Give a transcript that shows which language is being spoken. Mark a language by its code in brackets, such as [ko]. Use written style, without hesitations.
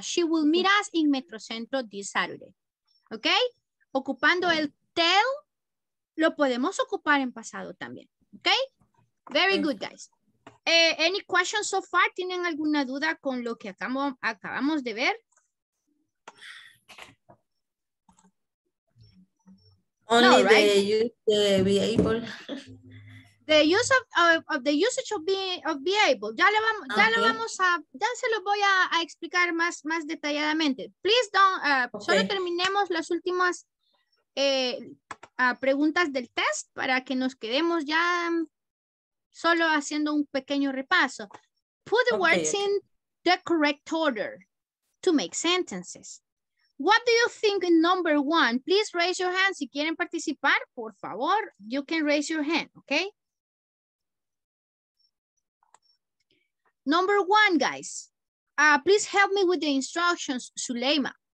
[en] She will meet us in Metro Centro this Saturday. ¿Ok? [es] Ocupando el tell, lo podemos ocupar en pasado también. ¿Ok? [en] Very good, guys. Any questions so far? [es] ¿Tienen alguna duda con lo que acabamos de ver? [en] Only the use be able. The usage of be able. [es] Ya se lo voy a explicar más detalladamente. [en] Please don't. [es] Solo terminemos las últimas preguntas del test para que nos quedemos ya solo haciendo un pequeño repaso. [en] Put the words in the correct order to make sentences. What do you think in number one? Please raise your hand. [es] Si quieren participar, por favor, [en] you can raise your hand. Okay. Number one, guys, please help me with the instructions, Suleyma.